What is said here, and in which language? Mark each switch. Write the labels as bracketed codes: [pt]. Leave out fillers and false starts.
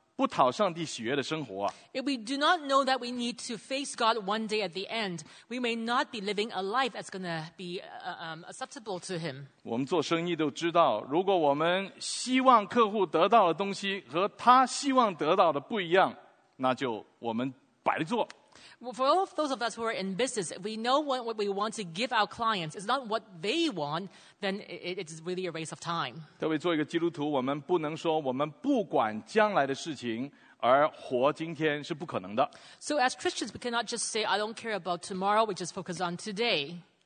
[zh] 如果我们不知道以后要面对的是上帝，我们今天可能活的是一个不讨上帝喜悦的生活。 [en] If we do not know that we need to face God one day at the end, we may not be living a life that's going to be acceptable to Him. [zh] 我们做生意都知道，如果我们希望客户得到的东西和他希望得到的不一样，那就我们白做。 [en] For all of those of us who are in business, if we know what we want to give our clients is not what they want, then it's really a waste of time. [zh] 特别作为一个基督徒，我们不能说我们不管将来的事情而活今天是不可能的。 [en] So as Christians, we cannot just say, I don't care about tomorrow, we just focus on today.